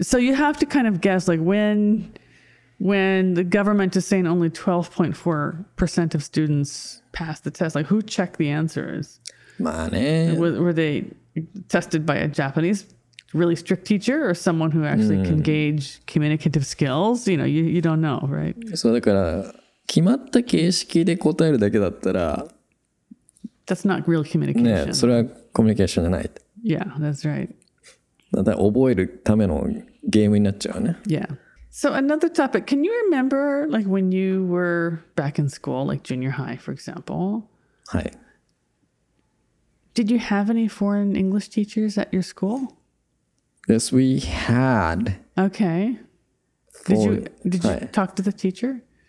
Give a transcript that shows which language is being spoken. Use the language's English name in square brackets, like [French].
[English] So you have to kind of guess like when the government is saying only 12.4% of students pass the test, like who checked the answers? Were they tested by a Japanese really strict teacher or someone who actually can gauge communicative skills? You know, you don't know, right? [Japanese] So, だから決まった形式で答えるだけだったら、 [English] that's not real communication. [Japanese] ね、それはコミュニケーションじゃない。 [English] Yeah, that's right. [Japanese] だから覚えるためのゲームになっちゃうね。 [English] Yeah. So another topic, can you remember like when you were back in school, like junior high, for example? Hi. Did you have any foreign English teachers at your school? Yes, we had. Okay. Did you talk to the teacher?